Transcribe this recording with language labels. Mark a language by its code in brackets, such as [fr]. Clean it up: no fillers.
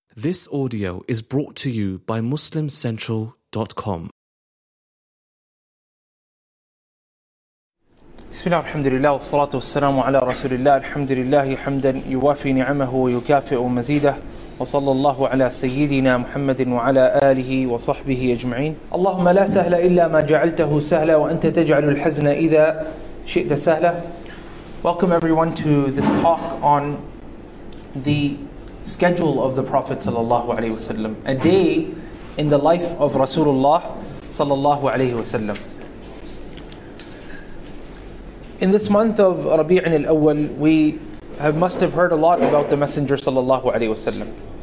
[en] This audio is brought to you by MuslimCentral.com. [ar] بسم الله الحمد لله والصلاة والسلام على رسول الله الحمد لله حمدا يوافي نعمه ويكافئ مزيده وصلى الله على سيدنا محمد وعلى آله وصحبه أجمعين. اللهم لا سهل إلا ما جعلته سهلا وأنت تجعل الحزن إذا شئت سهلا. [en] Welcome everyone to this talk on the schedule of the Prophet صلى الله عليه وسلم. A day in the life of Rasulullah صلى الله عليه وسلم. In this month of Rabi'in al-Awwal, we must have heard a lot about the Messenger sallallahu alayhi wasallam.